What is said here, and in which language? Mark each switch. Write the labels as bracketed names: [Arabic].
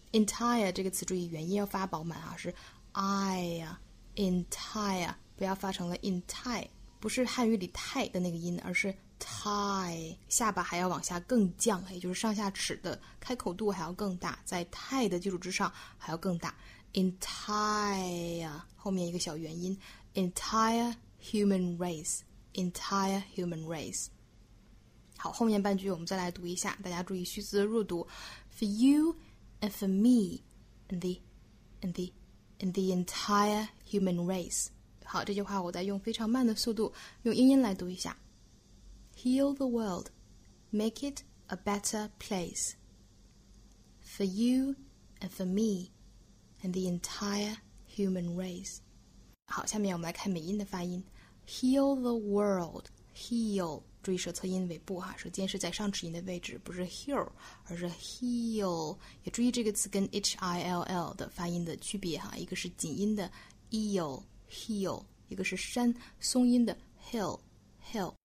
[Chinese] raceEntire 这个词注意元音要发饱满啊，是 I 呀 ，entire 不要发成了 entire， 不是汉语里太的那个音，而是 tie， 下巴还要往下更降，也就是上下齿的开口度还要更大，在太的基础之上还要更大。 [English] Entire [Chinese] 后面一个小元音 [English] ，entire human race，entire human race。 [Chinese] 好，后面半句我们再来读一下，大家注意虚词的弱读 ， [English] for you。 And for me, and the entire human race. [Chinese] 好，这句话我再用非常慢的速度，用英音来读一下。 [English] Heal the world, make it a better place. For you, and for me, and the entire human race. [Chinese] 好，下面我们来看美音的发音。 [English] Heal the world, [Chinese] heel， 注意舌侧音尾部哈，舌尖是在上齿龈的位置，不是 heel， 而是 heel。也注意这个词跟 h i l l 的发音的区别哈，一个是紧音的 eel heel， 一个是山松音的 hill hill。